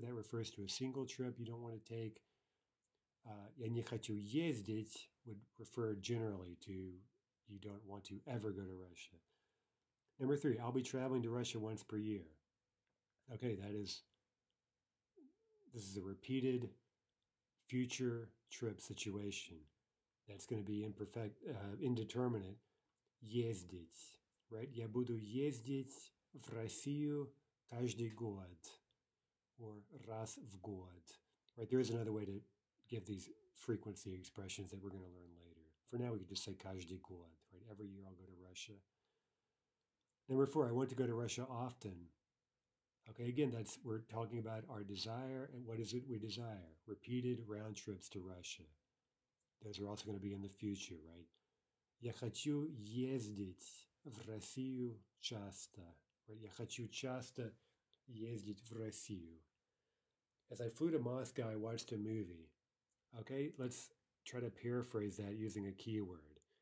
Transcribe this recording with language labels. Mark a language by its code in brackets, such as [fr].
[en] That refers to a single trip you don't want to take. [ru] Я не хочу ездить [en] would refer generally to you don't want to ever go to Russia. Number three, I'll be traveling to Russia once per year. Okay, this is a repeated future trip situation. That's going to be imperfect, indeterminate. Ездить, right? [ru] Я буду ездить в Россию каждый год or раз в год, right? [en] There is another way to give these frequency expressions that we're going to learn later. For now, we could just say [ru] каждый год, [en] right? Every year I'll go to Russia. Number four, I want to go to Russia often. Okay, again, we're talking about our desire and what is it we desire? Repeated round trips to Russia. Those are also going to be in the future, right? [ru] Я хочу ездить в Россию часто. [en] Right? [ru] Я хочу часто ездить в Россию. [en] As I flew to Moscow, I watched a movie. Okay, let's try to paraphrase that using a keyword.